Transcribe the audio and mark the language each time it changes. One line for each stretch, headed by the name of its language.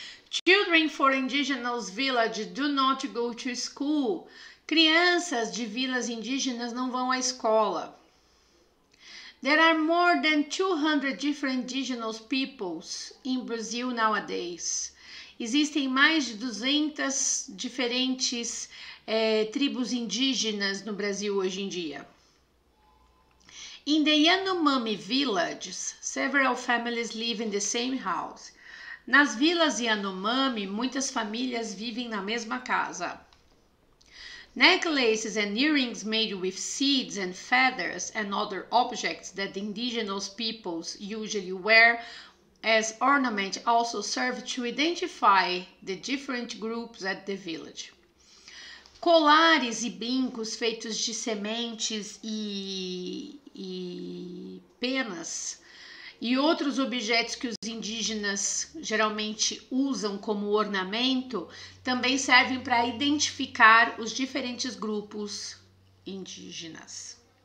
English: Children for indigenous village do not go to school.
Portuguese: Crianças de vilas indígenas não vão à escola.
English: There are more than 200 different indigenous peoples in Brazil nowadays.
Portuguese: Existem mais de 200 diferentes tribos indígenas no Brasil hoje em dia.
English: In the Yanomami villages, several families live in the same house.
Portuguese: Nas vilas Yanomami, muitas famílias vivem na mesma casa.
English: Necklaces and earrings made with seeds and feathers and other objects that the indigenous peoples usually wear as ornament also serve to identify the different groups at the village.
Portuguese: Colares e brincos feitos de sementes e penas e outros objetos que os indígenas geralmente usam como ornamento também servem para identificar os diferentes grupos indígenas.